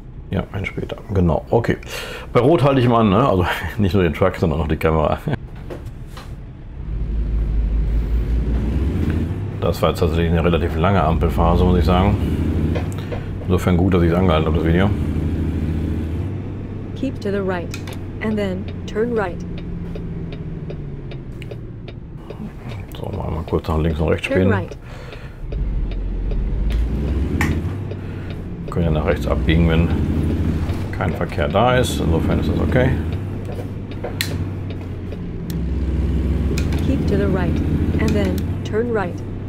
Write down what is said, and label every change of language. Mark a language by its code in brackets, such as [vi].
[de] Ja, eins später. Genau, okay. Bei Rot halte ich mal an, ne? Also nicht nur den Truck, sondern auch die Kamera. Das war jetzt tatsächlich eine relativ lange Ampelphase, muss ich sagen. Insofern gut, dass ich es angehalten habe, das Video. [en] Keep to the right and then turn right. [de] Kurz nach links und rechts spielen. Wir können ja nach rechts abbiegen, wenn kein Verkehr da ist. Insofern ist das okay. [en] Keep to the right and then turn right.